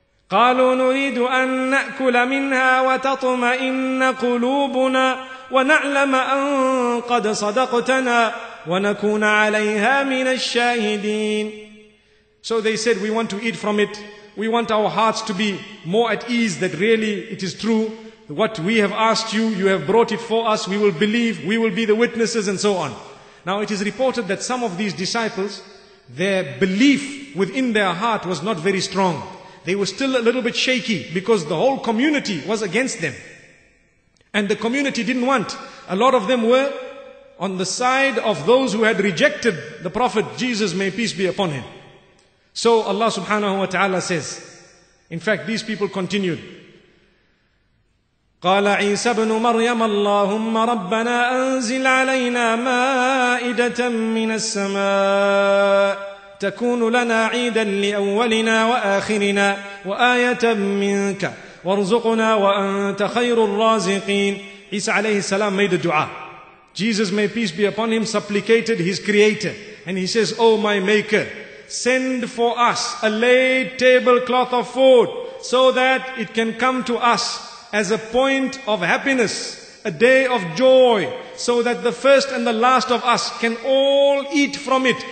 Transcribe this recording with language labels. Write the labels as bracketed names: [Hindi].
[Arabic] قالوا نريد أن نأكل منها وتطمئن قلوبنا ونعلم أن قد صدقتنا ونكون عليها من الشاهدين. [English] So they said, we want to eat from it. We want our hearts to be more at ease that really it is true. What we have asked you have brought it for us. We will believe, we will be the witnesses and so on. Now it is reported that some of these disciples, their belief within their heart was not very strong. They were still a little bit shaky because the whole community was against them. And the community didn't want. A lot of them were on the side of those who had rejected the Prophet Jesus, may peace be upon him. So Allah subhanahu wa ta'ala says, in fact, these people continued. [Arabic] قَالَ عِيسَى بْنُ مَرْيَمَ اللَّهُمَّ رَبَّنَا أَنزِلْ عَلَيْنَا مَائِدَةً مِّنَ السَّمَاءِ تكون لنا عيدا لأولنا وآخرنا وآية منك وارزقنا وأنت خير الرازقين. [English] Isa alayhi salam made a dua. Jesus, may peace be upon him, supplicated his creator. And he says, oh my maker, send for us a laid tablecloth of food so that it can come to us as a point of happiness, a day of joy, so that the first and the last of us can all eat from it.